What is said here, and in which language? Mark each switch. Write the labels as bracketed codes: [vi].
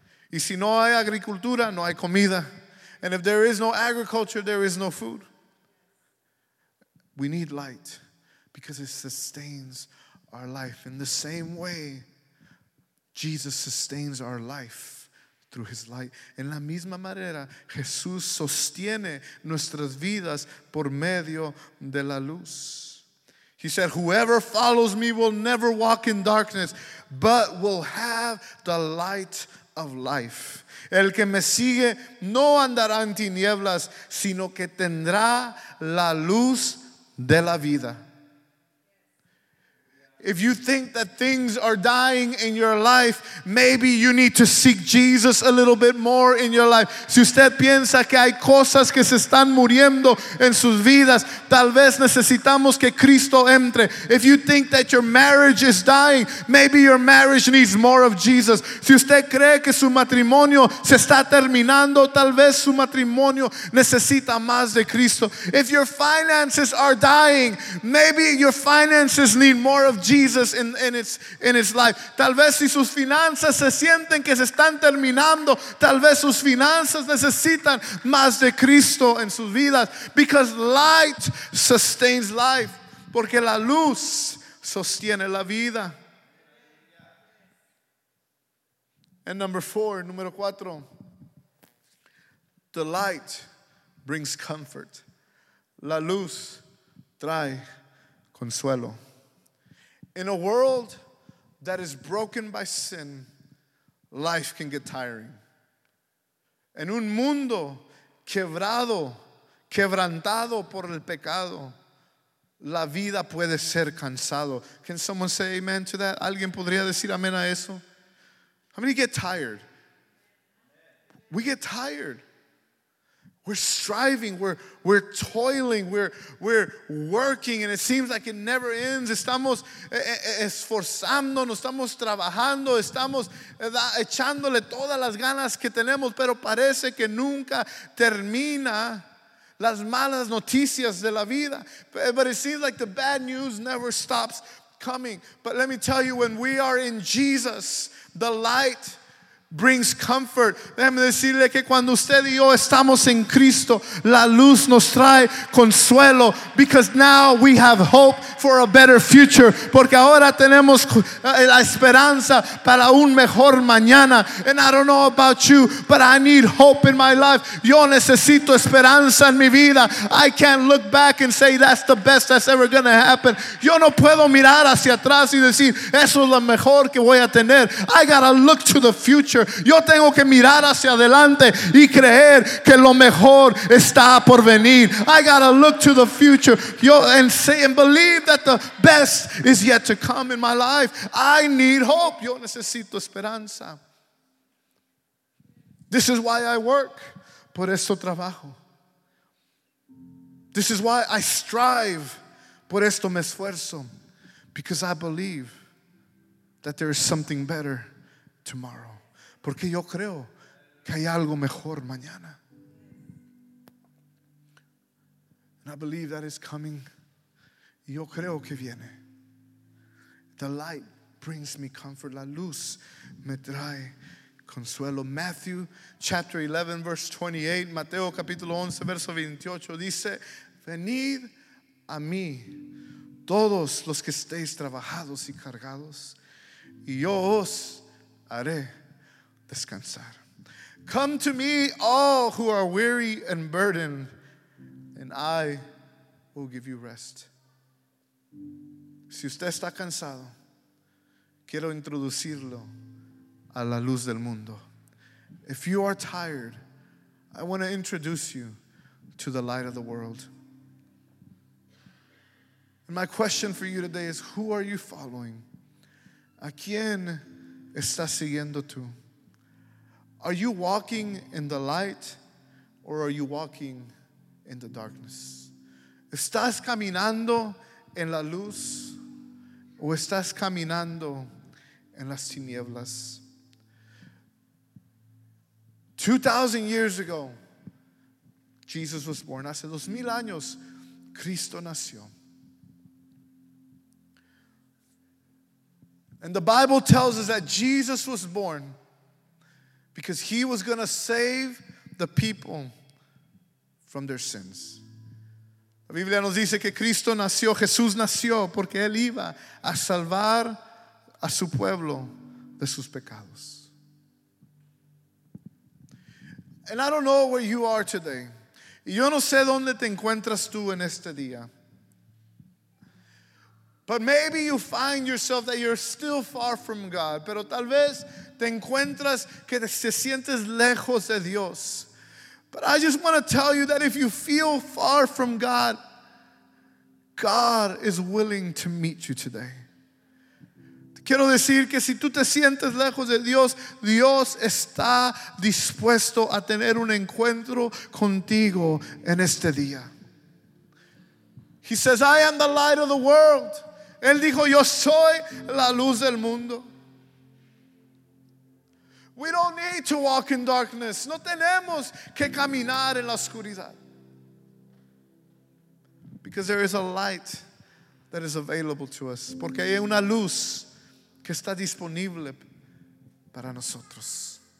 [es] Y si no hay agricultura, no hay comida. [en] And if there is no agriculture, there is no food. We need light because it sustains our life. In the same way, Jesus sustains our life through his light. [es] En la misma manera, Jesús sostiene nuestras vidas por medio de la luz. [en] He said, whoever follows me will never walk in darkness, but will have the light of life. [es] El que me sigue no andará en tinieblas, sino que tendrá la luz de la vida. [en] If you think that things are dying in your life, maybe you need to seek Jesus a little bit more in your life. [es] Si usted piensa que hay cosas que se están muriendo en sus vidas, tal vez necesitamos que Cristo entre. [en] If you think that your marriage is dying, maybe your marriage needs more of Jesus. [es] Si usted cree que su matrimonio se está terminando, tal vez su matrimonio necesita más de Cristo. [en] If your finances are dying, maybe your finances need more of Jesus in its life. [es] Tal vez si sus finanzas se sienten que se están terminando, tal vez sus finanzas necesitan más de Cristo en sus vidas. [en] Because light sustains life. [es] Porque la luz sostiene la vida. [en] And number four, [es] número cuatro. [en] The light brings comfort. [es] La luz trae consuelo. [en] In a world that is broken by sin, life can get tiring. [es] En un mundo quebrado, quebrantado por el pecado, la vida puede ser cansado. [en] Can someone say amen to that? [es] ¿Alguien podría decir amén a eso? [en] How many get tired? We get tired. We're striving, we're toiling, we're working, and it seems like it never ends. [es] Estamos esforzándonos, estamos trabajando, estamos echándole todas las ganas que tenemos, pero parece que nunca termina las malas noticias de la vida. [en] But it seems like the bad news never stops coming. But let me tell you, when we are in Jesus, the light brings comfort. [es] Déjame decirle que cuando usted y yo estamos en Cristo, la luz nos trae consuelo. [en] Because now we have hope for a better future. [es] Porque ahora tenemos la esperanza para un mejor mañana. [en] And I don't know about you, but I need hope in my life. [es] Yo necesito esperanza en mi vida. [en] I can't look back and say that's the best that's ever going to happen. [es] Yo no puedo mirar hacia atrás y decir eso es lo mejor que voy a tener. [en] I gotta look to the future. [es] Yo tengo que mirar hacia adelante y creer que lo mejor está por venir. [en] I gotta look to the future. Yo, and say and believe that the best is yet to come in my life. I need hope. [es] Yo necesito esperanza. [en] This is why I work. [es] Por eso trabajo. [en] This is why I strive. [es] Por esto me esfuerzo. [en] Because I believe that there is something better tomorrow. [es] Porque yo creo que hay algo mejor mañana. [en] And I believe that is coming. [es] Yo creo que viene. [en] The light brings me comfort. [es] La luz me trae consuelo. [en] Matthew chapter 11, verse 28. [es] Mateo capítulo 11, verso 28. Dice, venid a mí, todos los que estéis trabajados y cargados, y yo os haré descansar. [en] Come to me, all who are weary and burdened, and I will give you rest. [es] Si usted está cansado, quiero introducirlo a la luz del mundo. [en] If you are tired, I want to introduce you to the light of the world. And my question for you today is, who are you following? [es] ¿A quién estás siguiendo tú? [en] Are you walking in the light or are you walking in the darkness? [es] ¿Estás caminando en la luz o estás caminando en las tinieblas? [en] 2,000 years ago, Jesus was born. [es] Hace 2,000 años, Cristo nació. [en] And the Bible tells us that Jesus was born because he was going to save the people from their sins. [es] La Biblia nos dice que Cristo nació, Jesús nació, porque él iba a salvar a su pueblo de sus pecados. [en] And I don't know where you are today. [es] Y yo no sé dónde te encuentras tú en este día. [en] But maybe you find yourself that you're still far from God. [es] Pero tal vez te encuentras que te sientes lejos de Dios. [en] But I just want to tell you that if you feel far from God, God is willing to meet you today. [es] Quiero decir que si tú te sientes lejos de Dios, Dios está dispuesto a tener un encuentro contigo en este día. [en] He says, I am the light of the world. [es] Él dijo, yo soy la luz del mundo. [en] We don't need to walk in darkness. [es] No tenemos que caminar en la oscuridad. [en] Because there is a light that is available to us. [es] Porque hay una luz que está disponible para nosotros.